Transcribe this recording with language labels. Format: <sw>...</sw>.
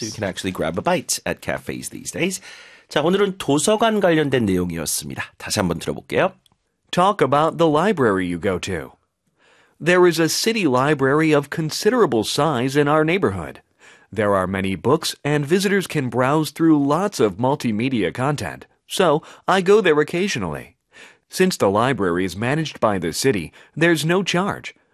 <en>So you can actually grab a bite at cafes these days.</en> <ko>자, 오늘은 도서관 관련된 내용이었습니다. 다시 한번 들어볼게요.</ko> <en>Talk about the library you go to. There is a city library of considerable size in our neighborhood. There are many books, and visitors can browse through lots of multimedia content. So, I go there occasionally. Since the library is managed by the city, there's no charge.</en>